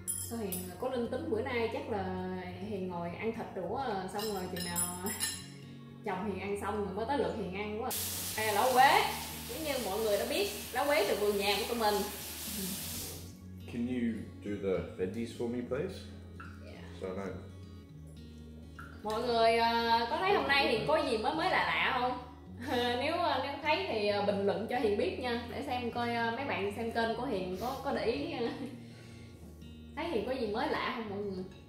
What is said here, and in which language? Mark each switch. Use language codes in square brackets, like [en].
[vi] Sao Hiền có linh tính bữa nay chắc là Hiền ngồi ăn thịt đũa xong rồi chừng nào chồng Hiền ăn xong rồi mới tới lượt Hiền ăn quá. À, lá quế. Nếu như mọi người đã biết, lá quế từ vườn nhà của tụi mình. [en] Can you do the veggies for me please? Yeah. So I know. [vi] Mọi người có thấy hôm nay thì có gì mới lạ không? nếu thấy thì bình luận cho Hiền biết nha, để xem coi mấy bạn xem kênh của Hiền có để ý thấy Hiền có gì mới lạ không mọi người.